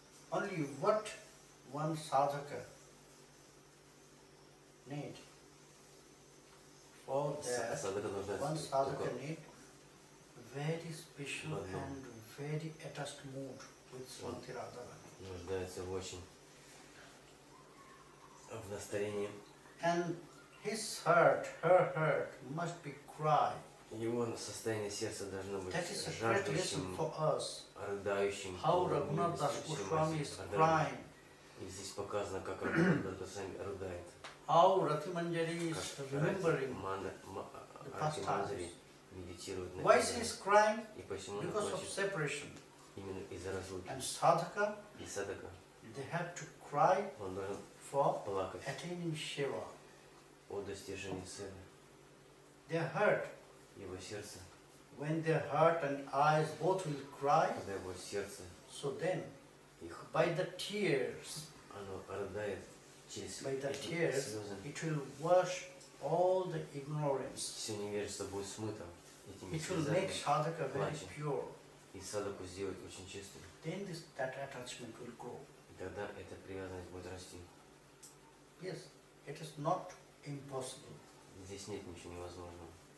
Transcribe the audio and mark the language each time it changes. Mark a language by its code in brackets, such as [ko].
[en] Only what one sadhaka need for that one sadhaka need very special and very attached mood with Sri Radharani. [ru] Нуждается в очень в настроении. [en] And his heart, her heart must be cry. [ru] Его состояние сердца должно быть [en] that is a great lesson for us. [ru] Рыдающим. [en] How Raghunath Das Goswami is crying. [ru] И здесь показано, как Раганат Госвами рыдает. [en] How Ратиманджари is remembering [ru] Ратиманджари медитирует на [en] Why she is crying? [ru] И почему [en] Because of separation. [ru] Именно из-за разлуки. [en] And sadhaka, [ru] и садхака. [en] They have to cry [ru] он должен [en] for [ru] плакать. [en] Attaining Shiva. [ru] О достижении Севы. [en] They hurt. [ru] Его сердце. [en] When their heart and eyes both will cry. [ru] Когда его сердце. [en] So then. By the tears, it will wash all the ignorance. It will make sadhaka very pure. [ru] И садхаку сделать очень чистым. [en] Then this that attachment will grow. [ru] Тогда эта привязанность будет расти. [en] Yes, it is not impossible. [ru] Здесь нет ничего невозможного.